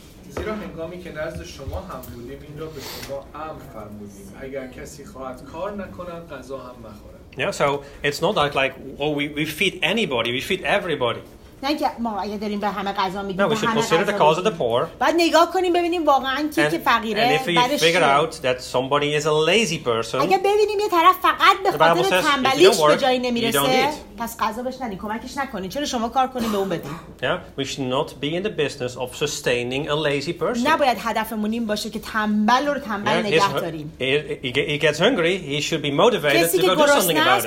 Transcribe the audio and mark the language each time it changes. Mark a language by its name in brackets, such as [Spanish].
[Persian] زیرا هنگامی که نزد شما هم بودیم این را به شما امر فرمودیم، اگر کسی خواهد کار نکند غذا هم نخورد. [English] Yeah, so it's not like we feed anybody, we feed everybody. No, we should consider the cause of the poor. [Persian] بعد نگاه کنیم ببینیم واقعا کی که فقیره. [English] And if we figure out that somebody is a lazy person. [Persian] اگه ببینیم یه طرف فقط به خاطر تنبلیش به جایی نمیرسه، پس غذا بهش ندین، کمکش نکنین. چرا شما کار کنین به اون بدین؟ [English] Yeah, we should not be in the business of sustaining a lazy person. [Persian] نباید هدفمون این باشه که تنبل رو تنبل نگه داریم. [English] He gets hungry, he should be motivated to go do something about it.